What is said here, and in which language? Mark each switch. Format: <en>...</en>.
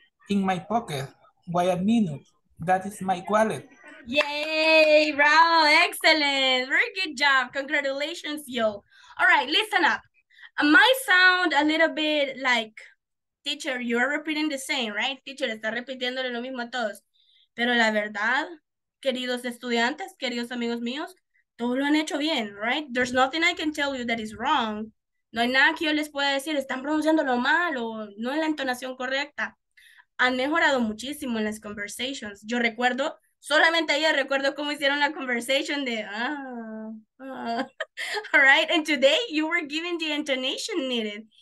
<en>In my pocket. Why a minute? That is my wallet. Yay, bravo, excellent. Very good job. Congratulations, yo. All right, listen up. I might sound a little bit like, teacher, you are repeating the same, right?</en> <es>Teacher, está repitiéndole lo mismo a todos. Pero la verdad, queridos estudiantes, queridos amigos míos, todos lo han hecho bien, right?</es> <en>There's nothing I can tell you that is wrong.</en> <es>No hay nada que yo les pueda decir, están pronunciándolo mal o no en la entonación correcta. Han mejorado muchísimo en las conversations. Yo recuerdo... Solamente ayer recuerdo cómo hicieron la</es> <en>conversation de, all right, and today you were giving the intonation needed.</en>